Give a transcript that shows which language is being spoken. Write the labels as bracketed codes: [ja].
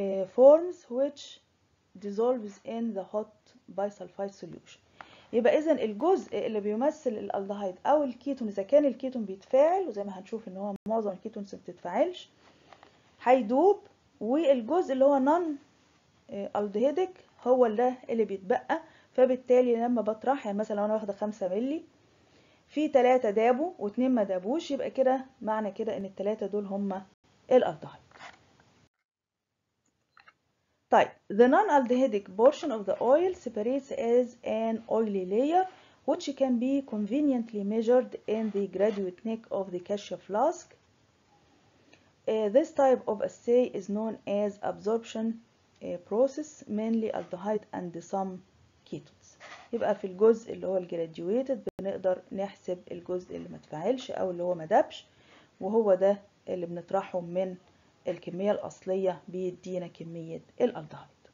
[en] forms which dissolves in the hot bisulfite solution. [ar] يبقى اذا الجزء اللي بيمثل الالدهايد او الكيتون اذا كان الكيتون بيتفاعل، وزي ما هنشوف ان هو معظم الكيتونز ما بتتفاعلش، هيدوب، والجزء اللي هو نون الدهيدك هو ده اللي بيتبقى. فبالتالي لما بطرح يعني مثلا لو انا واخده 5 مللي في 3 دابوا واتنين ما دابوش، يبقى كده معنى كده ان التلاتة دول هما الالدهايد. طيب [en] the non-aldehydic portion of the oil separates as an oily layer which can be conveniently measured in the graduate neck of the cashew flask. This type of assay is known as absorption process, mainly aldehyde and some ketones. [ar] يبقى في الجزء اللي هو الجراديويتد بنقدر نحسب الجزء اللي ما تفاعلش او اللي هو ما دابش، وهو ده اللي بنطرحه من الكمية الأصلية بيدينا كمية الألدهايد.